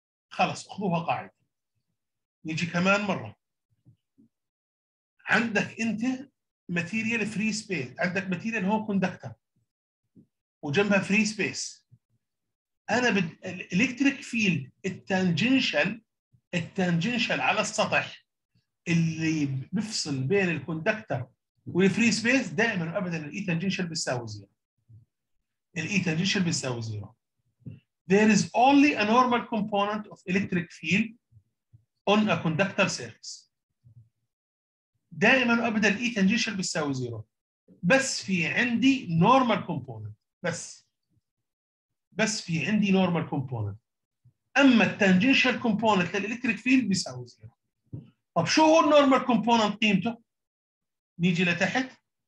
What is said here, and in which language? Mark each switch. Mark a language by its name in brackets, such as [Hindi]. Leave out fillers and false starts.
[Arabic] خلص خذوها قاعده. نيجي كمان مره، عندك انت ماتيريال فري سبيس، عندك ماتيريال هو كوندكتر وجنبها فري سبيس. انا الالكتريك فيلد التانجنشال على السطح اللي بيفصل بين الكوندكتر والفري سبيس دائما وابدا الاي تانجنشال بيساوي زيرو. الاي تانجنشال بيساوي زيرو. [English] There is only a normal component of electric field on a conductor surface. [Arabic] دائما وابدا الاي تانجنشال بيساوي زيرو. بس في عندي normal component. بس في عندي normal component. اما التانجنشال component للالكتريك فيلد بيساوي زيرو. طب شو هو النورمال كومبوننت قيمته؟ نيجي لتحت.